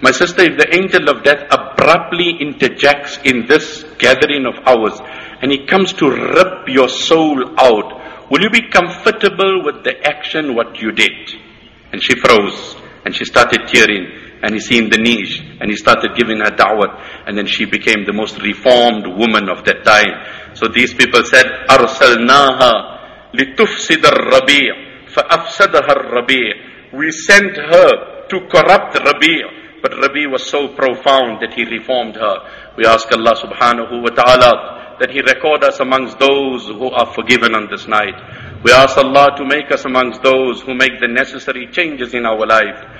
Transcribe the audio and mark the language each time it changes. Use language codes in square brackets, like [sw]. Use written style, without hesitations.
[en] My sister, if the angel of death abruptly interjects in this gathering of ours, and he comes to rip your soul out, will you be comfortable with the action what you did? And she froze. And she started tearing, and he seen the niche, and he started giving her da'wat, and then she became the most reformed woman of that time. So these people said, [ar] أَرْسَلْنَاهَا لِتُفْسِدَ الرَّبِيعَ فَأَفْسَدَهَا الرَّبِيعَ. [en] We sent her to corrupt Rabi', but Rabi' was so profound that he reformed her. We ask Allah subhanahu wa ta'ala that he record us amongst those who are forgiven on this night. We ask Allah to make us amongst those who make the necessary changes in our life.